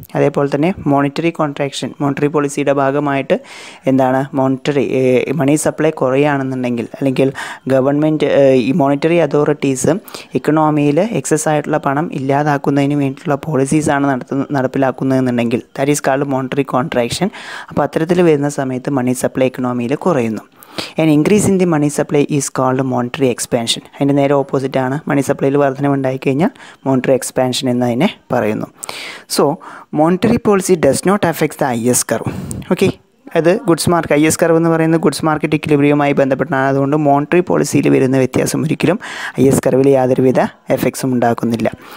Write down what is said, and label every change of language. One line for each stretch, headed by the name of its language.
Malayalam: അതേപോലെ തന്നെ monetary contraction monetary പോളിസിയുടെ ഭാഗമായിട്ട് എന്താണ് മോണിറ്ററി മണി സപ്ലൈ കുറയുകയാണെന്നുണ്ടെങ്കിൽ, അല്ലെങ്കിൽ ഗവൺമെൻറ് ഈ മോണിറ്ററി അതോറിറ്റീസ് ഇക്കണോമിയിൽ എക്സസ് ആയിട്ടുള്ള പണം ഇല്ലാതാക്കുന്നതിന് വേണ്ടിയിട്ടുള്ള പോളിസീസ് ആണ് നടപ്പിലാക്കുന്നതെന്നുണ്ടെങ്കിൽ,
English: That is called monetary contraction.
Malayalam: അപ്പോൾ അത്തരത്തിൽ വരുന്ന സമയത്ത് മണി സപ്ലൈ ഇക്കണോമിയിൽ കുറയുന്നു.
English: An increase in the money supply is called monetary expansion.
Malayalam: അതിൻ്റെ നേരെ ഓപ്പോസിറ്റ് ആണ്, മണി സപ്ലൈയിൽ വർധനം ഉണ്ടായി കഴിഞ്ഞാൽ മോണിറ്ററി എക്സ്പാൻഷൻ എന്ന് അതിനെ പറയുന്നു.
English: So monetary policy does not affect the IS curve.
Malayalam: Okay, അത് goods mark I S curve എന്ന് പറയുന്നത് ഗുഡ്സ് മാർക്കറ്റ് ഇക്വിലിബ്രിയുമായി ബന്ധപ്പെട്ടാണ്. അതുകൊണ്ട് മോണിറ്ററി പോളിസിയിൽ വരുന്ന വ്യത്യാസം ഒരിക്കലും ഐ എസ് കർവിൽ യാതൊരുവിധ എഫക്ട്സും ഉണ്ടാക്കുന്നില്ല.